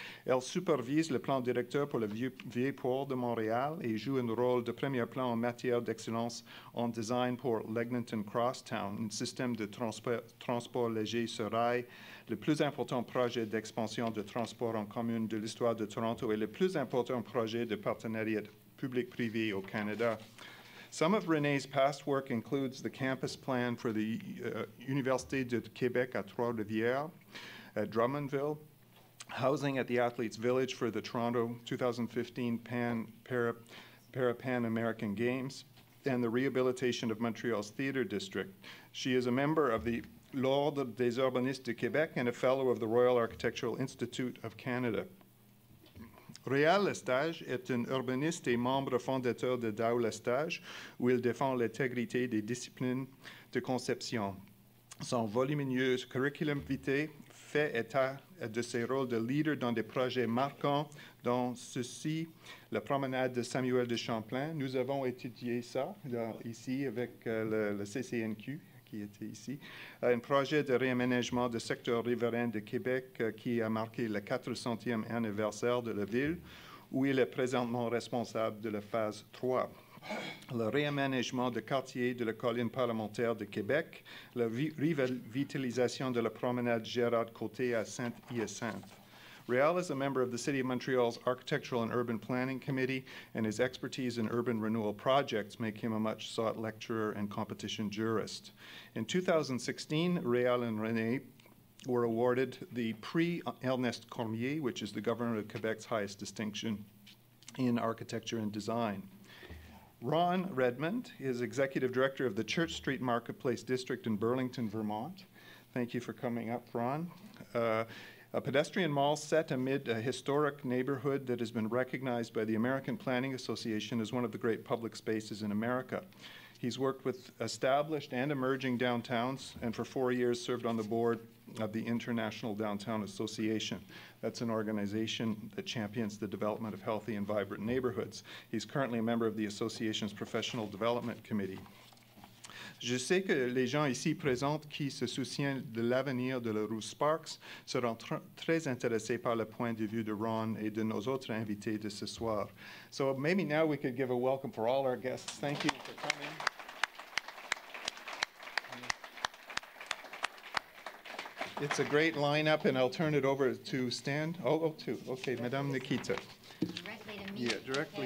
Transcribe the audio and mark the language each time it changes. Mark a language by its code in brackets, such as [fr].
[fr] Elle supervise le plan directeur pour le vieux port de Montréal et joue un rôle de premier plan en matière d'excellence en design pour l'Eglinton Crosstown, un système de transport léger sur rail, le plus important projet d'expansion de transport en commun de l'histoire de Toronto et le plus important projet de partenariat public-privé au Canada. [en] Some of René's past work includes the campus plan for the Université de Québec à Trois-Rivières, at Drummondville, housing at the Athletes Village for the Toronto 2015 Pan American Games, and the rehabilitation of Montreal's theater district. She is a member of the L'Ordre des Urbanistes de Québec and a fellow of the Royal Architectural Institute of Canada. [fr] Réal Lestage est un urbaniste et membre fondateur de Daou Lestage, où il défend l'intégrité des disciplines de conception. Son volumineux curriculum vitae fait état de ses rôles de leader dans des projets marquants, dont ceci, la promenade de Samuel de Champlain. Nous avons étudié ça ici avec le CCNQ. Qui était ici, un projet de réaménagement du secteur riverain de Québec qui a marqué le 400e anniversaire de la ville, où il est présentement responsable de la phase 3. Le réaménagement de quartier de la colline parlementaire de Québec, la revitalisation de la promenade Gérard-Côté à Saint-Hyacinthe. [en] Réal is a member of the City of Montreal's Architectural and Urban Planning Committee, and his expertise in urban renewal projects make him a much-sought lecturer and competition jurist. In 2016, Réal and René were awarded the Prix Ernest Cormier, which is the Governor of Quebec's highest distinction in architecture and design. Ron Redmond is Executive Director of the Church Street Marketplace District in Burlington, Vermont. Thank you for coming up, Ron. A pedestrian mall set amid a historic neighborhood that has been recognized by the American Planning Association as one of the great public spaces in America. He's worked with established and emerging downtowns and for 4 years served on the board of the International Downtown Association. That's an organization that champions the development of healthy and vibrant neighborhoods. He's currently a member of the association's Professional Development Committee. [fr] Je sais que les gens ici présents qui se soucient de l'avenir de la rue Sparks seront très intéressés par le point de vue de Ron et de nos autres invités de ce soir. [en] So maybe now we could give a welcome for all our guests. Thank you for coming. Mm-hmm. It's a great lineup, and I'll turn it over to Stan. Okay, Madame Nikita. Directly to me. Yeah, directly